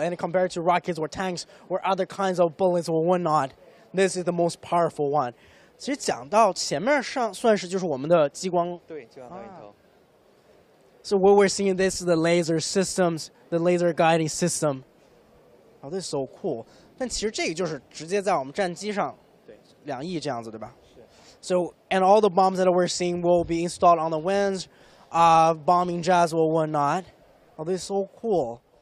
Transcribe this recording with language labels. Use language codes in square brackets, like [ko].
[en] And compared to rockets or tanks or other kinds of bullets or whatnot, this is the most powerful one. [zh] 其实讲到前面上算是就是我们的激光。对，激光导引头。 [en] So what we're seeing, this is the laser systems, the laser guiding system. Oh, this is so cool. [zh] 但其实这个就是直接在我们战机上，对，两翼这样子，对吧？是。 [en] So, and all the bombs that we're seeing will be installed on the wings, bombing jets or whatnot. Oh, this is so cool.